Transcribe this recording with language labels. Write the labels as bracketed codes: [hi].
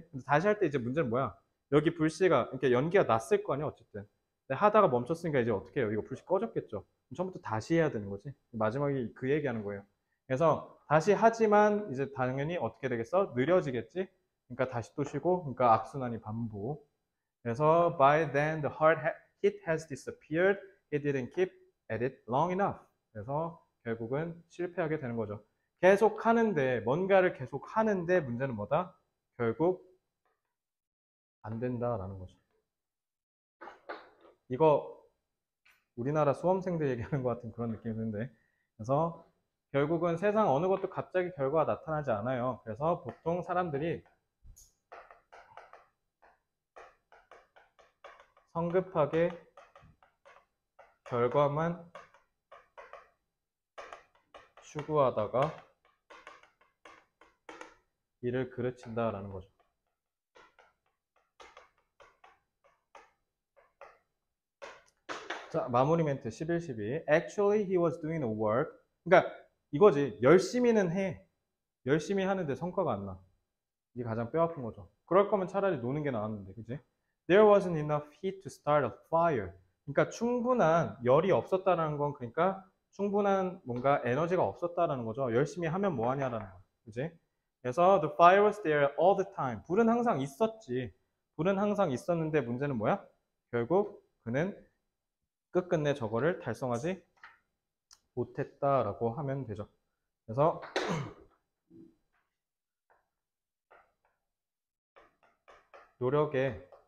[ko] 근데 다시 할 때 이제 문제는 뭐야? 여기 불씨가 이렇게 연기가 났을 거 아니야 어쨌든. 근데 하다가 멈췄으니까 이제 어떻게 해요? 이거 불씨 꺼졌겠죠. 처음부터 다시 해야 되는 거지. 마지막에 그 얘기하는 거예요. 그래서 다시 하지만 이제 당연히 어떻게 되겠어? 느려지겠지? 그러니까 다시 또 쉬고 그러니까 악순환이 반복. 그래서 [en] by then the hard hit has disappeared. He didn't keep at it long enough. [ko] 그래서 결국은 실패하게 되는 거죠. 계속 하는데 뭔가를 계속 하는데 문제는 뭐다? 결국 안 된다라는 거죠. 이거 우리나라 수험생들 얘기하는 것 같은 그런 느낌이 드는데 그래서 결국은 세상 어느 것도 갑자기 결과가 나타나지 않아요. 그래서 보통 사람들이 성급하게 결과만 추구하다가 일을 그르친다라는 거죠. 자, 마무리 멘트 [en] 11, 12. Actually, he was doing the work. [ko] 그러니까 이거지. 열심히는 해. 열심히 하는데 성과가 안 나. 이게 가장 뼈아픈 거죠. 그럴 거면 차라리 노는 게 나았는데, 그치? [en] There wasn't enough heat to start a fire. [ko] 그러니까 충분한 열이 없었다는 건 그러니까 충분한 뭔가 에너지가 없었다는 거죠. 열심히 하면 뭐하냐라는 거, 그치? 그래서 [en] the fire was there all the time. [ko] 불은 항상 있었지. 불은 항상 있었는데 문제는 뭐야? 결국 그는 끝끝내 저거를 달성하지 못했다라고 하면 되죠. 그래서 노력에